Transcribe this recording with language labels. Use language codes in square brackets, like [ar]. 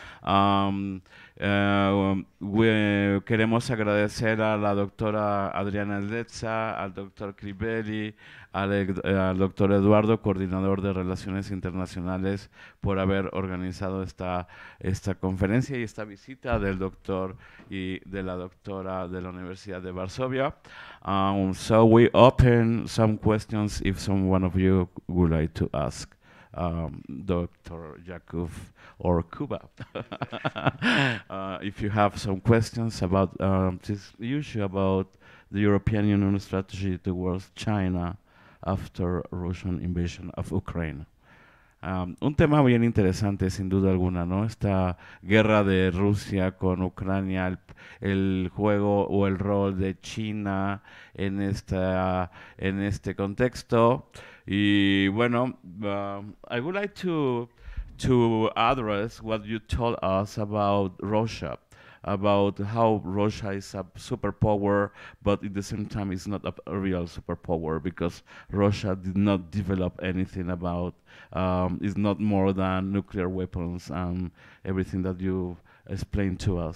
[es] Queremos agradecer a la doctora Adriana Letza, al doctor Crivelli, al doctor Eduardo, coordinador de Relaciones Internacionales, por haber organizado esta conferencia y esta visita del doctor y de la doctora de la Universidad de Varsovia. [en] So we open some questions if someone of you would like to ask Dr. Jakub or Kuba, if you have some questions about this issue about the European Union strategy towards China after Russian invasion of Ukraine. [es] Un tema bien interesante, sin duda alguna, ¿no? Esta guerra de Rusia con Ucrania, el juego o el rol de China en este contexto. Y bueno, [en] I would like to address what you told us about Russia, about how Russia is a superpower, but at the same time it's not a real superpower because Russia did not develop anything about, it's not more than nuclear weapons and everything that you explained to us.